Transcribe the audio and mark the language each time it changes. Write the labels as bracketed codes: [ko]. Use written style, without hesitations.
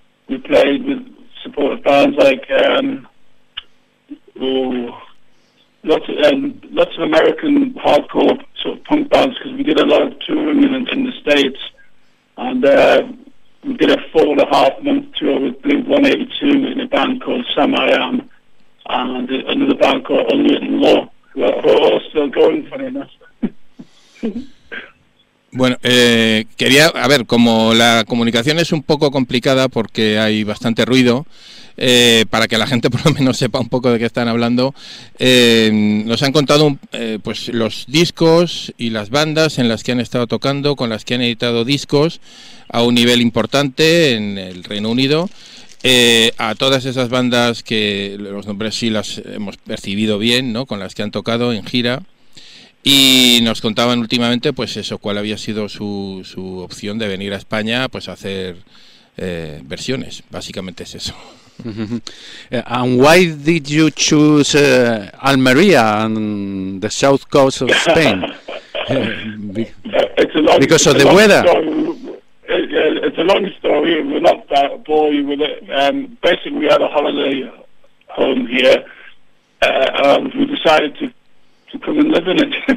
[en] We played with supportive bands like lots of American hardcore sort of punk bands, because we did a lot of touring in the States. And we did a 4.5 month tour with Blink 182 in a band called Sam I Am and another band called Unwritten Law. We're all still going, funny enough. [es] Bueno, quería, a ver, como la comunicación es un poco complicada porque hay bastante ruido, para que la gente por lo menos sepa un poco de qué están hablando, nos han contado pues los discos y las bandas en las que han estado tocando, con las que han editado discos a un nivel importante en el Reino Unido. A todas esas bandas, que los nombres sí las hemos percibido bien, ¿no? Con las que han tocado en gira. Y nos contaban últimamente, pues eso, cuál había sido su opción de venir a España, pues a hacer versiones. Básicamente es eso. Mm-hmm. [en] And why did you choose Almería and the south coast of Spain? It's a long, because of the weather. It's a long story. We're not that boring with it. Basically, we had a holiday home here, and we decided to come and live in it.